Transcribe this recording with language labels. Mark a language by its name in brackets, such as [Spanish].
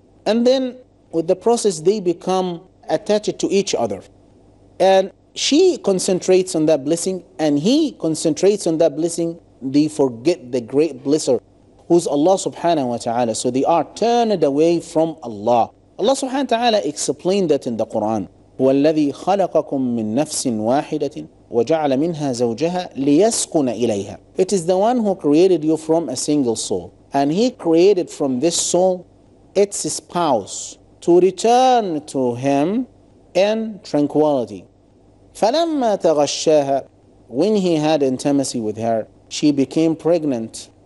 [English] And then with the process, they become attached to each other. And she concentrates on that blessing, and he concentrates on that blessing. They forget the great blesser, who's Allah subhanahu wa ta'ala. So they are turned away from Allah. Allah subhanahu wa ta'ala explained that in the Quran. [Arabic] هو الذي خلقكم من نفس واحدة وجعل منها زوجها ليسكن إليها. [English] It is the one who created you from a single soul. And he created from this soul its spouse to return to him in tranquility. [Arabic] فلما تغشاها, [English] when he had intimacy with her, she became pregnant.